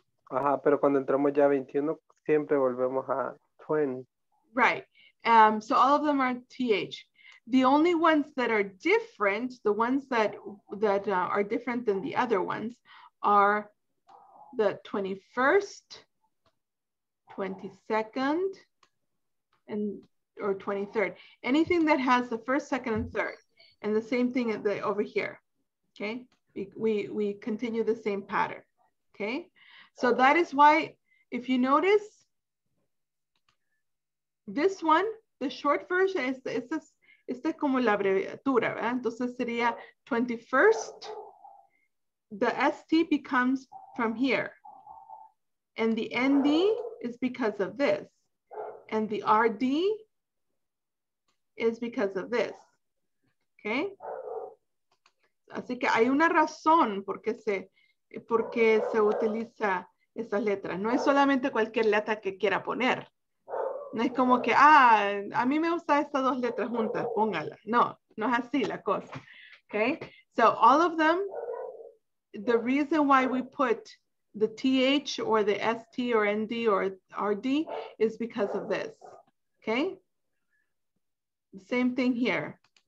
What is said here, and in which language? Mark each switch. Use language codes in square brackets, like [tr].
[es] Ajá, pero cuando entramos ya 21, siempre volvemos a 20. [en] Right. So all of them are TH. The only ones that are different, the ones that are different than the other ones, are the 21st, 22nd, or 23rd. Anything that has the first, second, and third. And the same thing over here. Okay. We continue the same pattern. Okay, so that is why, if you notice, this one, the short version is [es] este como la abreviatura, ¿verdad? Entonces sería [en] 21st, the ST becomes from here, and the ND is because of this, and the RD is because of this, okay? [es] Así que hay una razón por qué porque se utiliza estas letras. No es solamente cualquier letra que quiera poner. No es como que, ah, a mí me gusta estas dos letras juntas, póngala. No es así la cosa. Okay? [en] So all of them, the reason why we put the TH or the ST or ND or RD is because of this. Okay? Same thing here.